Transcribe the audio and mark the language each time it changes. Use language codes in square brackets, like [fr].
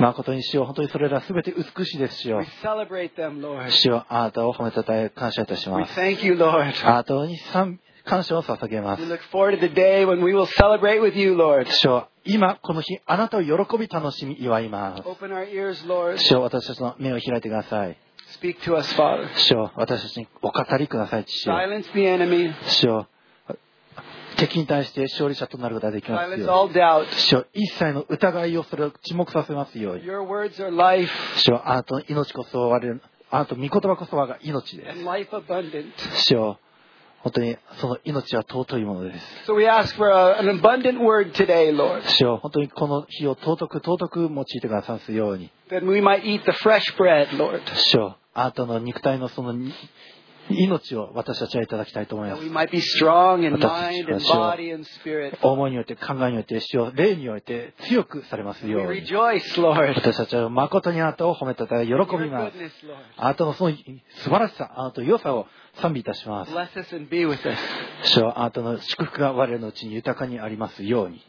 [ja] 誠に主よ、本当にそれらすべて美しいですよ。 [en] We celebrate them, Lord. [ja] 主よ、あなたを褒めたたえ感謝いたします。 [en] We thank you, Lord. [ja] あなたに感謝を捧げます。 [en] We look forward to the day when we will celebrate with you, Lord. [ja] 主よ、今この日あなたを喜び楽しみ祝います。 [en] Open our ears, Lord. [ja] 主よ、私たちの目を開いてください。 [en] Speak to us, Father. [ja] 主よ、私たちにお語りください、父よ。 [en] Silence the enemy. [ja] 主よ。敵に対して勝利者となることができますよ。主よ、一切の疑いをそれを沈黙させますように [en] 。 Your words are life. [ja] 主よ、あなたの命こそ我れ、あなたの御言葉こそ我が命です。 [en] And life abundant. [ja] 主よ、本当にその命は尊いものです。 [en] So we ask for an abundant word today, Lord. [ja] 主よ、本当にこの日を尊く用いてくださるように。 [en] Then we might eat the fresh bread, Lord. [ja] 主よ、あなたの肉体のその命を私たちはいただきたいと思います。 [en] We might be strong in mind and body and spirit. [ja] 思いによって、考えによって、主よ、霊において強くされますように。 [en] We rejoice, Lord. [ja] 私たちは誠にあなたを褒めたたえ喜びます。あなたのその素晴らしさ、あなたの良さを賛美いたします。 [en] Bless us and be with us. [ja] 主よ、あなたの祝福が我らのうちに豊かにありますように。